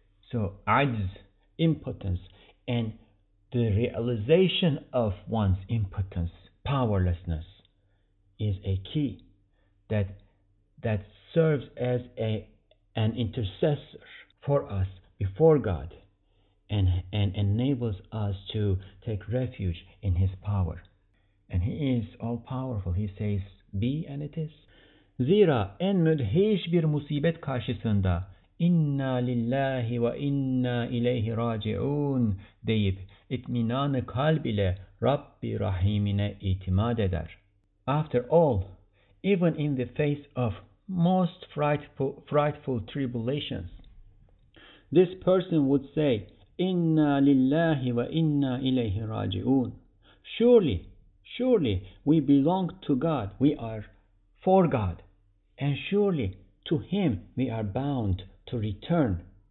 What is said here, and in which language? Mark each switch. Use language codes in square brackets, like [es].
[en] So, ajz, impotence, and the realization of one's impotence, powerlessness, is a key that serves as an intercessor for us before God and enables us to take refuge in His power. And He is all-powerful. He says, be and it is. [tr] Zira en müdheş bir musibet karşısında [ar] inna lillahi ve inna ileyhi raciun [tr] deyip itminanı kalb ile Rabbi Rahimine itimad eder. [en] After all, even in the face of most frightful tribulations, this person would say, [ar] inna lillahi ve inna ileyhi raciun. [en] Surely we belong to God, we are for God, and surely to Him we are bound to return.